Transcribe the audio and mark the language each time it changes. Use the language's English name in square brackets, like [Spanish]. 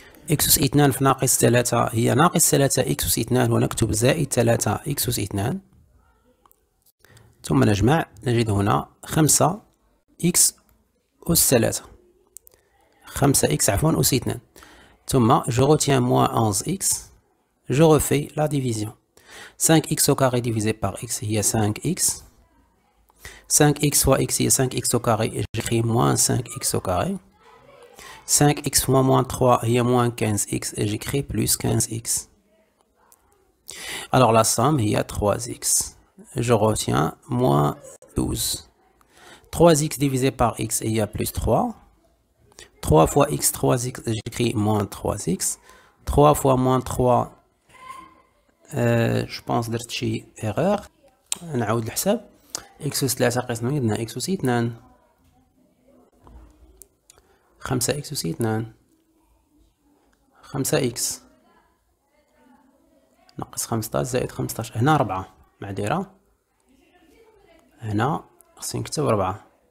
[Arabic] x أس 2 في ناقص 3 هي ناقص 3 x أس 2، ونكتب زائد 3 x أس 2. ثم نجمع نجد هنا 5 x أس 3، 5 x عفوا أس 2. [French] ثم je retiens moins 11 x، je refais la division. 5 x au carré divisé par x [Arabic] هي [French] 5 x، 5 x fois x هي 5 x au carré، j'écris moins 5 x au carré. 5x fois moins 3 [Arabic] هي [French] moins 15x et j'écris plus 15x. Alors la somme [Arabic] هي [French] 3x. Je retiens moins 12. 3x divisé par x et il y a plus 3. 3 fois x 3x et j'écris moins 3x. 3 fois moins 3, je pense que c'est une erreur. On va le faire. X plus 3 ça reste nous, x plus 2. [Arabic] 5 x أس 2 5 x ناقص 15 زائد 15، هنا 4 معديرة، هنا خصني نكتب 4.